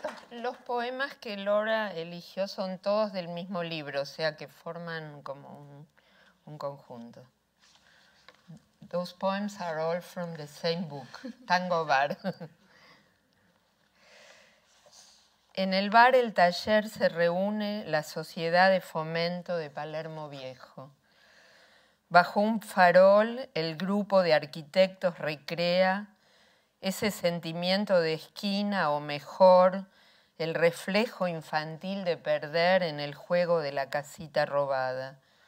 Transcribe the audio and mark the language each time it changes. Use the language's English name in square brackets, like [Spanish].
[Spanish] Los poemas que Laura eligió son todos del mismo libro, o sea que forman como un conjunto. [English] Those poems are all from the same book, Tango Bar. [Spanish] En el bar, el taller, se reúne la Sociedad de Fomento de Palermo Viejo. Bajo un farol, el grupo de arquitectos recrea ese sentimiento de esquina, o mejor, el reflejo infantil de perder en el juego de la casita robada.